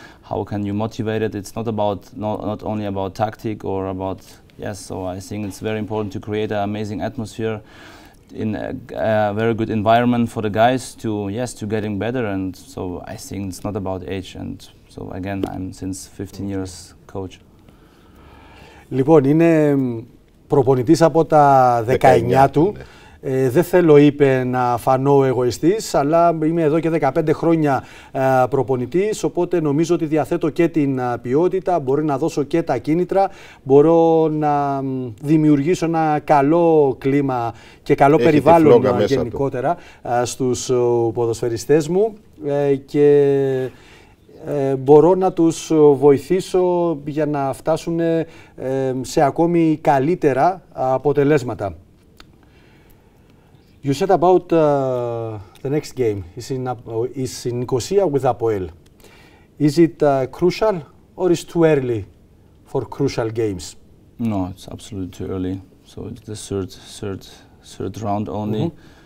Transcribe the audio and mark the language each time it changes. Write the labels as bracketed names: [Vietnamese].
[English] How can you motivate it? It's not only about tactic or about. Yes, so I think it's very important to create an amazing atmosphere in a very good environment for the guys to getting better, and so I think it's not about age, and so again I'm since 15 years coach. [Greek] Λοιπόν, είναι προπονητής από τα 19 του. Δεν θέλω, είπε, να φανώ εγωιστής, αλλά είμαι εδώ και 15 χρόνια προπονητής, οπότε νομίζω ότι διαθέτω και την ποιότητα, μπορώ να δώσω και τα κίνητρα, μπορώ να δημιουργήσω ένα καλό κλίμα και καλό Έχει περιβάλλον γενικότερα στους ποδοσφαιριστές μου, και μπορώ να τους βοηθήσω για να φτάσουν σε ακόμη καλύτερα αποτελέσματα. [English] You said about the next game is in Nicosia with Apoel. Is it crucial, or is too early for crucial games? No, it's absolutely too early. So it's the third round only. Mm-hmm.